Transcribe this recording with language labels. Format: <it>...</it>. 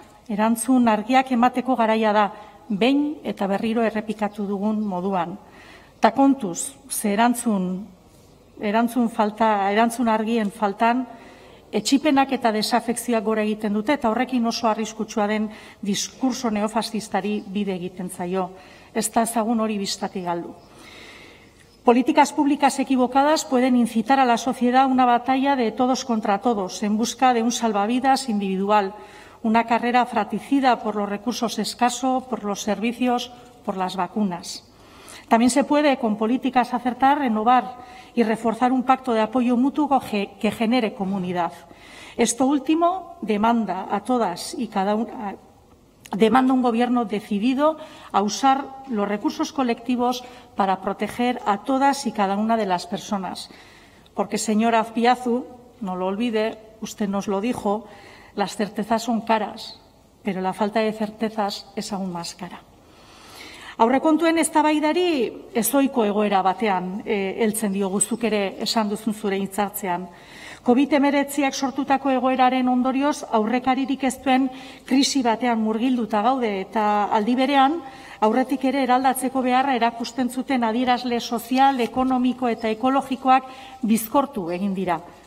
<eu>Erantzun argiak emateko garaia da, behin eta berriro errepikatu dugun moduan. Ta kontuz, ze erantzun argien faltan, etxipenak eta desafekzioak gora egiten dute, eta horrekin oso arriskutsua den diskurso neofasistari bide egiten zaio. Ez da ezagun hori bistatik galdu.</eu> <es>Politikas publikas ekibokadas pueden incitar a la sociedad una batalla de todos contra todos, en busca de un salvavidas individual, una carrera fraticida por los recursos escasos, por los servicios, por las vacunas. También se puede, con políticas, acertar, renovar y reforzar un pacto de apoyo mutuo que genere comunidad. Esto último demanda a todas y cada una, demanda un gobierno decidido a usar los recursos colectivos para proteger a todas y cada una de las personas. Porque, señor Azpiazu, no lo olvide, usted nos lo dijo, las certezas son caras, pero la falta de certezas es aún más cara.</es> <eu>Aurrekontuen eztabaidari ezohiko egoera batean heltzen diogu zuk ere esan duzun zure hitzartzean. COVID-19ak sortutako egoeraren ondorioz aurrekaririk ez duen krisi batean murgilduta gaude eta aldi berean aurretik ere eraldatzeko beharra erakusten zuten adierazle sozial, ekonomiko eta ekologikoak bizkortu egin dira.</eu>